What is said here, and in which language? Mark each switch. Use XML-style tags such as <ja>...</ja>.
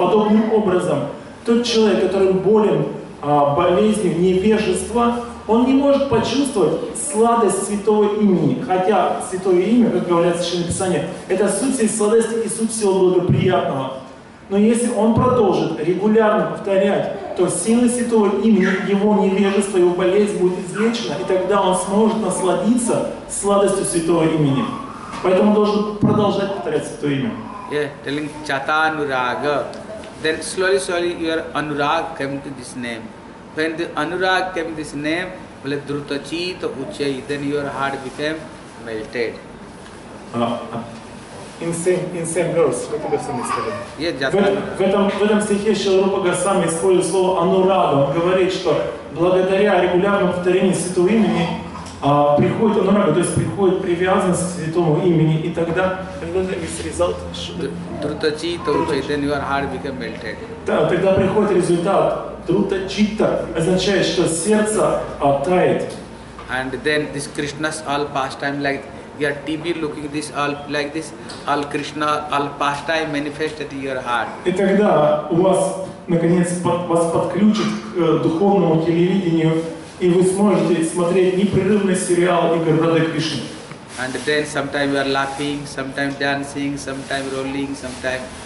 <ru>Подобным образом, тот человек, который болен болезнью невежества, он не может почувствовать сладость святого имени, хотя святое имя, как говорят Священное Писание, это суть всей сладости и суть всего благоприятного. Но если он продолжит регулярно повторять, то сила святого имени, его невежество, его болезнь будет излечена, и тогда он сможет насладиться сладостью святого имени. Поэтому он должен продолжать повторять святое имя.</ru> <en>Yeah, telling chata anuraga. Then slowly, slowly your anurag came to this name. When the anurag came this name, like drutachita uchai, then your heart became melted.</en> <ru>В этом стихе Шилрупа Госвами использует слово анурага. Он говорит, что благодаря регулярному повторению святого имени приходит анурага, то есть приходит привязанность к святому имени, и тогда тогда приходит результат. Друта читта означает, что сердце тает.</ru> <en>And then this Krishna's all pastime, like your TV looking this all like this, all Krishna all pastime manifested in your heart.</en> <ru>И тогда у вас наконец вас подключит к духовному телевидению, и вы сможете смотреть непрерывный сериал игр Рады Кришны.</ru> <en>And then sometimes you are laughing, sometimes dancing, sometimes rolling, sometimes</en>